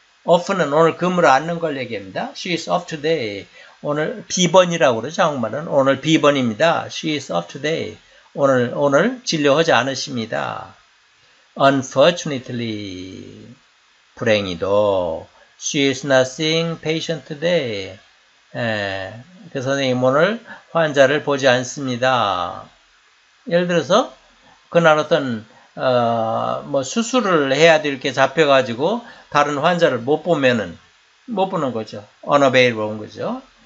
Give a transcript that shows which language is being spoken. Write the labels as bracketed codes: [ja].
[ko] Off는 오늘 근무를 안는 걸 얘기합니다. [en] She's off today. [ko] 오늘 비번이라고 그러죠. 정말은 오늘 비번입니다. [en] She's off today. [ko] 오늘 진료하지 않으십니다. [en] Unfortunately, [ko] 불행히도 [en] She is not seeing patient today. [ko] 예, 그 선생님 오늘 환자를 보지 않습니다. 예를 들어서 그날 어떤 뭐 수술을 해야 될 게 잡혀가지고 다른 환자를 못 보면은 못 보는 거죠. Unavailable 온 거죠.